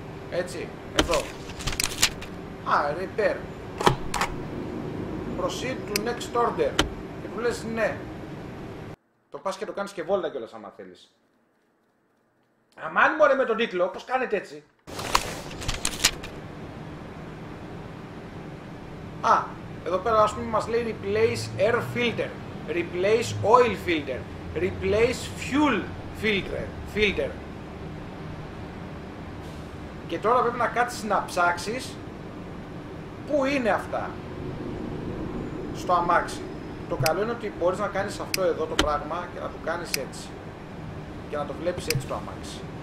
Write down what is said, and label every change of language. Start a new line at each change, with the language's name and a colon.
Greek: Έτσι, εδώ. Α, repair.
English: Proceed to next order.
Greek: Και του λες ναι. Το πας και το κάνεις και βόλτα κιόλας άμα θέλεις. Αμάν μωρέ με τον τίτλο, πώς κάνετε έτσι. Α, εδώ πέρα ας πούμε μας λέει
English: replace air filter, replace oil filter, replace fuel filter.
Greek: Και τώρα πρέπει να κάτσεις να ψάξεις πού είναι αυτά στο αμάξι. Το καλό είναι ότι μπορείς να κάνεις αυτό εδώ το πράγμα και να το κάνεις έτσι και να το βλέπεις έτσι το αμάξι.